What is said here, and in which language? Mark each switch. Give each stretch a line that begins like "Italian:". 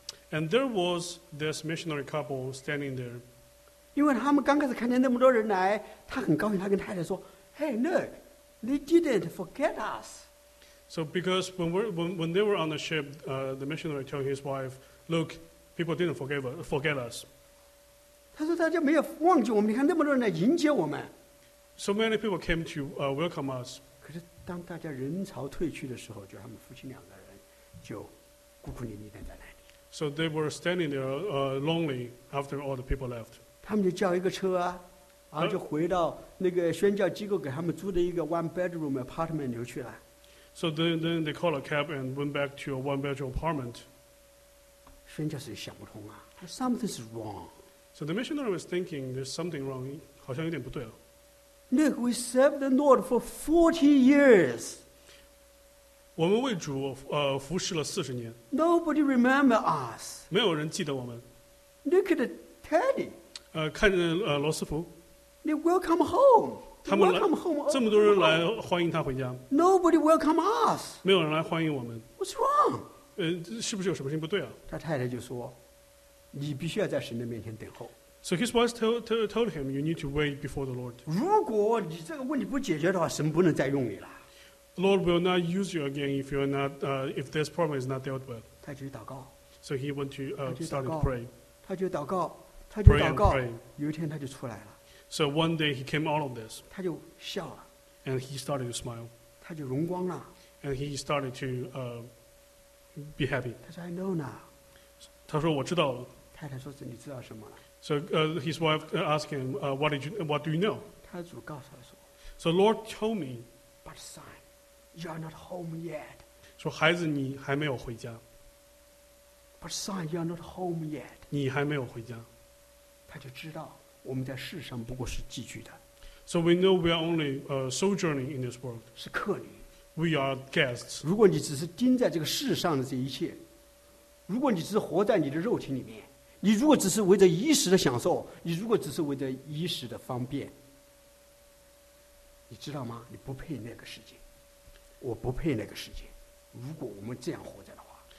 English: And there was this missionary couple standing there.
Chinese: 因为他们刚开始看见那么多人来，他很高兴，他跟太太说 ，
English: Hey, look. They didn't forget us. So because when they were on the ship, the missionary told his wife, look, people didn't forget us.
Chinese: 他说大家没有忘记我们，你看那么多人来迎接我们。
English: So many people came to welcome us.
Chinese: 可是当大家人潮退去的时候，就他们夫妻两个人就孤苦伶仃在那里。
English: So they were standing there lonely after all the people left.
Chinese: 他们就叫一个车啊。然后就回到那个宣教机构给他们租的一个 one bedroom apartment 里去了。
English: So then they called a cab and went back to a one bedroom apartment.
Chinese: 宣教士想不通啊 ，
English: something's wrong. So the missionary was thinking there's something wrong,
Chinese: 好像有点不对了。
English: Look, we served the Lord for 40 years.
Chinese: 我们为主服侍了40年。
English: Nobody remember us.
Chinese: 没有人记得我们。
English: Look at Teddy.
Chinese: 看着罗斯福。
English: They welcome home. Welcome home.
Chinese: 这么多人来欢迎他回家。
English: Nobody welcome us.
Chinese: 没有人来欢迎我们。
English: What's wrong?
Chinese: 是不是有什么事情不对啊？他太太就说：“你必须要在神的面前等候。”
English: So his wife told him, "You need to wait before the Lord."
Chinese: 如果你这个问题不解决的话，神不能再用你了。
English: Lord will not use you again if you're not if this problem is not dealt with.
Chinese: 他就祷告。
English: So he went to start to pray.
Chinese: 他就祷告，他就祷告。有一天他就出来了。
English: So one day he came out of this.
Chinese: 他就笑了。
English: And he started to smile.
Chinese: 他就荣光了。
English: And he started to be happy.
Chinese: 他说
English: I know now.
Chinese: 他说我知道了。太太说你知道什么了。
English: So his wife asked him, what do you know?
Chinese: 他的主告诉他说。
English: So Lord told me. But son, you are not home yet.
Chinese: 说孩子你还没有回家。
English: But son, you are not home yet.
Chinese: 你还没有回家。他就知道我们在世上不过是寄居的。
English: So we know we are only sojourning in this world.
Chinese: 是客旅。
English: We are guests.
Chinese: 如果你只是盯在这个世上的这一切，如果你只是活在你的肉体里面，你如果只是为着一时的享受，你如果只是为着一时的方便，你知道吗？你不配那个世界，我不配那个世界。如果我们这样活着的话